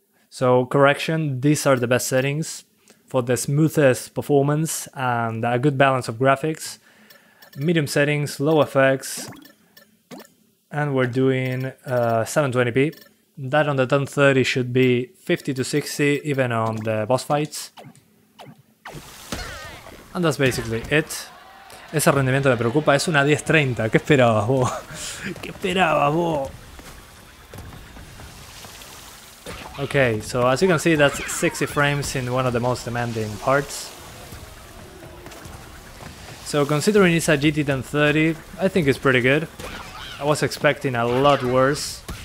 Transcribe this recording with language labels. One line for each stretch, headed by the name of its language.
English: So correction, these are the best settings for the smoothest performance and a good balance of graphics. Medium settings, low effects, and we're doing 720p. That on the 1030 should be 50 to 60, even on the boss fights. And that's basically it.
Spanish: Ese rendimiento me preocupa, es una 1030, ¿qué esperabas vos? ¿Qué esperabas vos?
English: Okay, so as you can see, that's 60 frames in one of the most demanding parts. So considering it's a GT 1030, I think it's pretty good. I was expecting a lot worse.